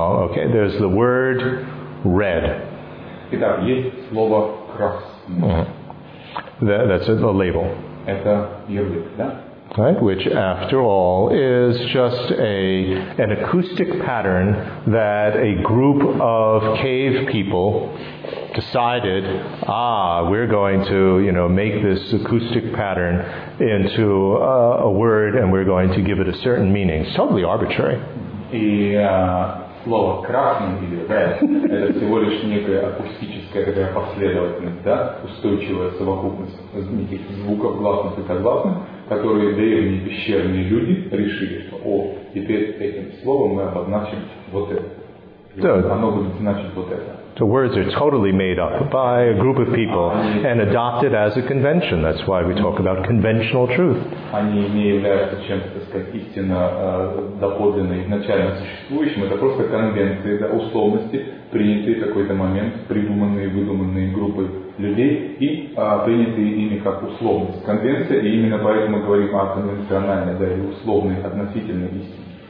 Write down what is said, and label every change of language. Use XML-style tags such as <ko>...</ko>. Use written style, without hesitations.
<en>Okay, there's the word red.</en> <ru>Итак, есть слово красный.</ru> <en>That's a label.</en> <ru>Это ярлык, да?</ru> <en>Right, which after all is just an acoustic pattern that a group of cave people decided, we're going to, you know, make this acoustic pattern into a word and we're going to give it a certain meaning. It's totally arbitrary.</en> <ru>И слово красный или red это всего лишь некая акустическая последовательность, да, устойчивая совокупность неких звуков гласных и согласных, которые древние пещерные люди решили, что о, теперь этим словом мы обозначим вот это. Оно будет значить вот это.</ru> <en>So words are totally made up by a group of people and adopted as a convention. That's why we talk about conventional truth.</en> <ru>Они не являются чем-то, так сказать, истинно доподлинно изначально существующим. Это просто конвенции, это условности, принятые в какой-то момент, придуманные, выдуманные группой людей и принятые ими как условность. Конвенция, и именно поэтому мы говорим о конвенциональной, да, и условной относительной истине.</ru>